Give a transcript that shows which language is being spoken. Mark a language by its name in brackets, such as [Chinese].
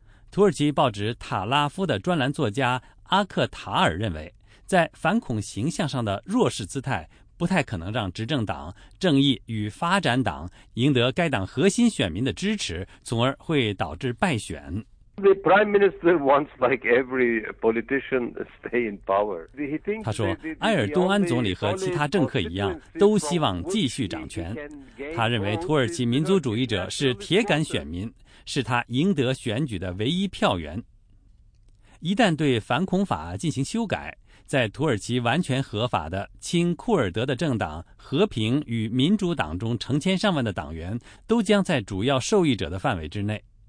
[Chinese] 土耳其报纸塔拉夫的专栏作家阿克塔尔认为，在反恐形象上的弱势姿态不太可能让执政党正义与发展党赢得该党核心选民的支持，从而会导致败选。 [English] The Prime Minister wants, like every politician, stay in power. He thinks. [Chinese] 他说，埃尔多安总理和其他政客一样，都希望继续掌权。他认为，土耳其民族主义者是铁杆选民，是他赢得选举的唯一票源。一旦对反恐法进行修改，在土耳其完全合法的亲库尔德的政党和平与民主党中成千上万的党员，都将在主要受益者的范围之内。